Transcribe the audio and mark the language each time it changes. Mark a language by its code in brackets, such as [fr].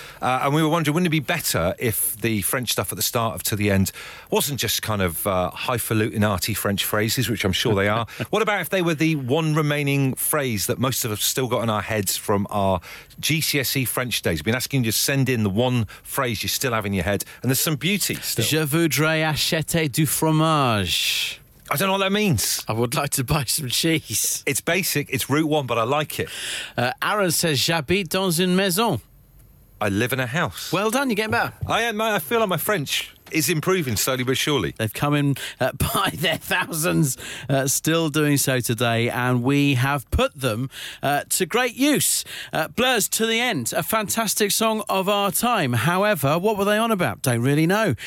[en] And we were wondering, wouldn't it be better if the French stuff at the start of To The End wasn't just kind of highfalutin arty French phrases, which I'm sure they are. What about if they were the one remaining phrase that most of us still got in our heads from our GCSE French days? We've been asking you to send in the one phrase you still have in your head, and there's some beauty still. [fr] Je voudrais acheter du fromage. [en] I don't know what that means. I would like to buy some cheese. It's basic. It's route one, but I like it. Aaron says, [fr] j'habite dans une maison. [en] I live in a house. Well done, you're getting better. I feel like my French is improving slowly but surely. They've come in by their thousands, still doing so today, and we have put them to great use. Blurs to the End, a fantastic song of our time. However, what were they on about? Don't really know.